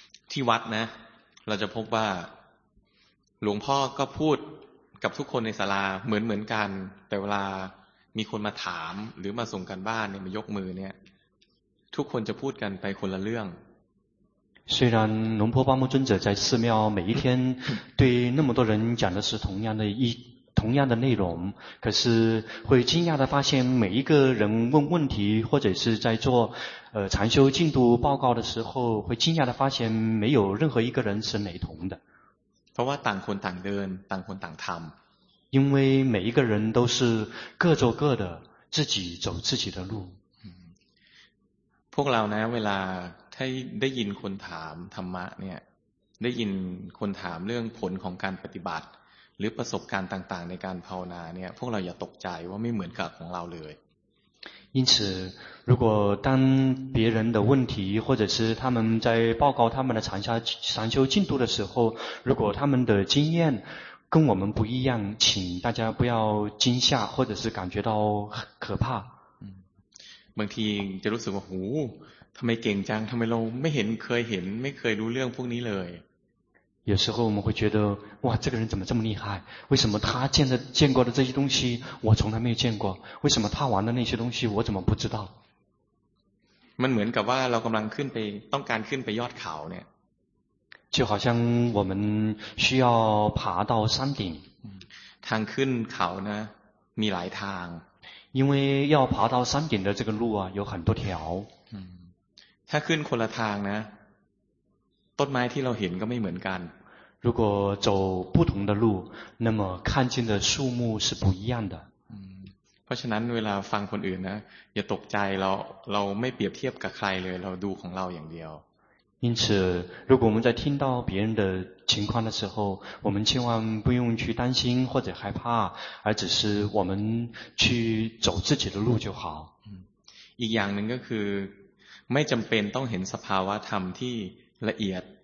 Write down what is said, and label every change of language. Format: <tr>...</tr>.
<th>ที่วัดนะเราจะพบว่าหลวงพ่อก็พูดกับทุกคนในศาลาเหมือนกันแต่เวลามีคนมาถามหรือมาส่งกันบ้านเนี่ยมายกมือเนี่ยทุกคนจะพูดกันไปคนละเรื่อง</th> <zh>虽然龙婆巴木尊者在寺庙每一天对那么多人讲的是同样的内容可是会惊讶的发现每一个人问问题或者是在做禅修进度报告的时候会惊讶的发现没有任何一个人是雷同的</zh> <th>เพราะว่าต่างคนต่างเดินต่างคนต่างทำ</th> <zh>因为每一个人都是各走各的自己走自己的路</zh> <th>พวกเรานะเวลาถ้าได้ยินคนถามธรรมะเนี่ยได้ยินคนถามเรื่องผลของการปฏิบัติหรือประสบการณ์ต่างๆในการภาวนาเนี่ยพวกเราอย่าตกใจว่าไม่เหมือนกับของเราเลย</th> <zh>因此如果当别人的问题或者是他们在报告他们的禅修进度的时候如果他们的经验跟我们不一样请大家不要惊吓或者是感觉到可怕</zh> <th>บางทีจะรู้สึกว่าหูทำไมเก่งจังทำไมเราไม่เห็นเคยเห็นไม่เคยรู้เรื่องพวกนี้เลย</th> <zh>有时候我们会觉得哇这个人怎么这么厉害为什么他见过的这些东西我从来没有见过为什么他玩的那些东西我怎么不知道</zh> <th>มันเหมือนกับว่าเรากำลังขึ้นไปต้องการขึ้นไปยอดเขาเนี่ย</th> <zh>就好像我们需要爬到山顶</zh> <th>ทางขึ้นเขานะมีหลายทาง</th> <zh>因为要爬到山顶的这个路啊有很多条</zh> <th>ถ้าขึ้นคนละทางนะต้นไม้ที่เราเห็นก็ไม่เหมือนกัน</th> <zh>如果走不同的路那么看见的树木是不一样的</zh> <th>เพราะฉะนั้นเวลาฟังคนอื่นนะอย่าตกใจเราไม่เปรียบเทียบกับใครเลยเราดูของเราอย่างเดียว</th> <zh>因此如果我们在听到别人的情况的时候我们千万不用去担心或者害怕而只是我们去走自己的路就好</zh> <th>อีกอย่างหนึ่งก็คือไม่จำเป็นต้องเห็นสภาวะธรรมที่ละเอียด</th>